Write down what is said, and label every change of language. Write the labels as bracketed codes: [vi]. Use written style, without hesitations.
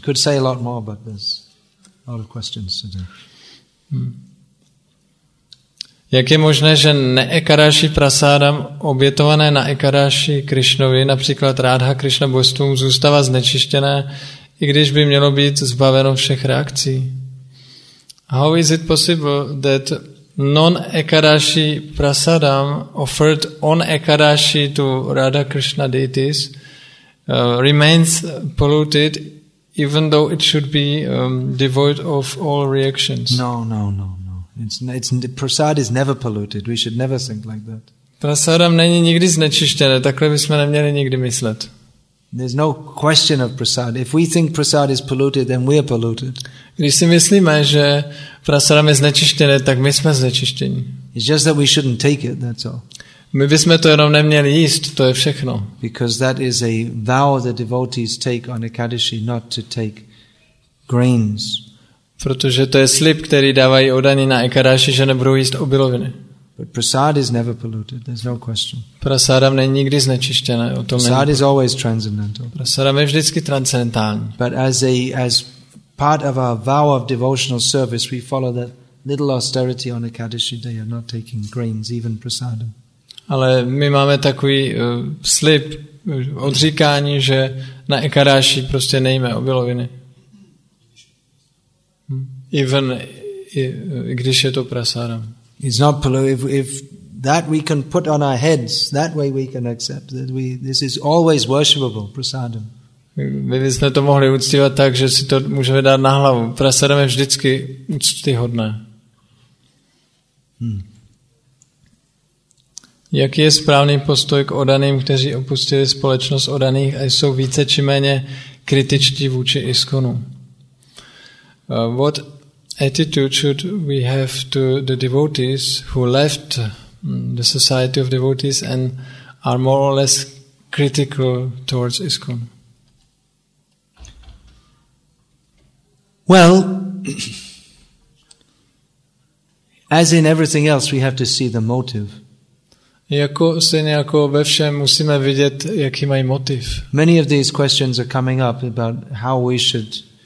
[en] Could say a lot more, but there's a lot of questions today. [cs] Jak je možné, že neekadáši prasádam obětované na ekadáši Krišnovi, například Rádha Krišna Bostum, zůstává znečištěné, i když by mělo být zbaveno všech reakcí? [en] How is it possible that non-ekadáši prasádam offered on ekadáši to Rádha Krishna deities remains polluted even though it should be devoid of all reactions? No. Prasad is never polluted. We should never think like that. [cs] Prasadam není nikdy znečištěné. Takhle bychom neměli nikdy myslet. [en] There's no question of prasad. If we think prasad is polluted, then we are polluted. [cs] Když si myslíme, že prasadam je znečištěné, tak my jsme znečištění. [en] It's just that we shouldn't take it, that's all. [cs] My bychom to jenom neměli jíst, to je všechno. [en] Because that is a vow the devotees take on Ekadashi, not to take grains. [cs] Protože to je slib, který dávají odaní na Ekadashi, že nebudou jíst obiloviny. [en] But prasad is never polluted, there's no question. [cs] Prasadam není nikdy znečištěné, o tom není. [en] Prasad is always transcendental. [cs] Prasadam je vždycky transcendentální. [en] But as part of our vow of devotional service, we follow that little austerity on Ekadashi day of not taking grains, even prasadam. [cs] Ale my máme takový slib, odříkání, že na Ekadashi prostě nejíme obiloviny. [en] Even [cs] i když je to prasadam. [en] It's not polluted. If that we can put on our heads, that way we can accept that this is always worshipable, prasadam. [cs] My bychom to mohli uctívat tak, že si to můžeme dát na hlavu. Prasadam je vždycky úctyhodné. Jaký je správný postoj k odaným, kteří opustili společnost odaných a jsou více či méně kritičtí vůči ISKCONu? [en] What attitude should we have to the devotees who left the society of devotees and are more or less critical towards ISKCON? Well, as in everything else, we have to see the motive. [cs] Jako stejně jako ve všem musíme vidět, jaký mají motiv. [en] Many of these questions are coming up about how we should.